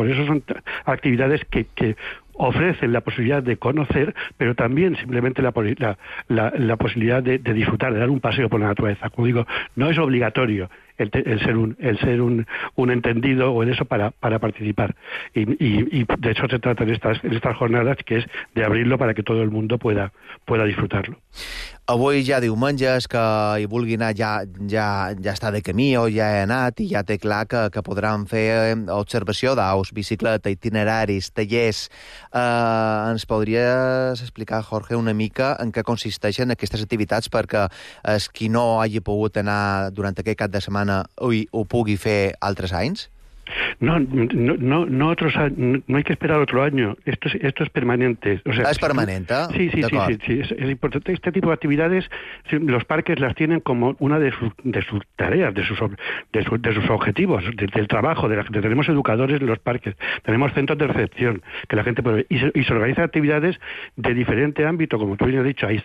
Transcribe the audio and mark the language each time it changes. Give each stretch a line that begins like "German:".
Spanish: Por eso son actividades que ofrecen la posibilidad de conocer, pero también simplemente la posibilidad de disfrutar, de dar un paseo por la naturaleza. Como digo, no es obligatorio el ser un entendido o en eso para participar. Y de eso se trata en estas jornadas, que es de abrirlo para que todo el mundo pueda disfrutarlo.
Catalan: Avui ja diumenges, que hi vulgui anar ja està de camí o ja he anat i ja té clar que podran fer observació d'aus, bicicleta, itineraris, tallers. Ens podries explicar, Jorge, una mica en què consisteixen aquestes activitats perquè es qui no hagi pogut anar durant aquest cap de setmana ho pugui fer altres anys?
Spanish: No hay que esperar otro año. Esto es permanente. O sea, es permanente. Sí. Es importante. Este tipo de actividades, los parques las tienen como una de sus tareas, de sus objetivos, del trabajo. Tenemos educadores en los parques, tenemos centros de recepción que la gente puede, y se organizan actividades de diferente ámbito, como tú bien has dicho.